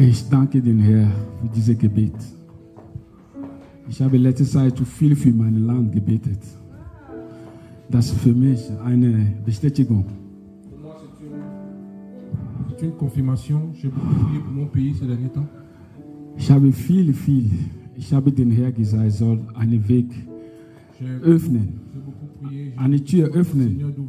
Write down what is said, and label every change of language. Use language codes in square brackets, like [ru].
[de] Danke den Herr für dieses Gebet. Ich habe letzte Zeit zu viel für mein Land gebetet. Das ist für mich eine Bestätigung. [fr] C'est une confirmation. J'ai beaucoup prié pour mon pays ces derniers temps. [de] Ich habe viel, viel. Ich habe den Herr gesagt, er soll einen Weg öffnen. Eine Tür öffnen.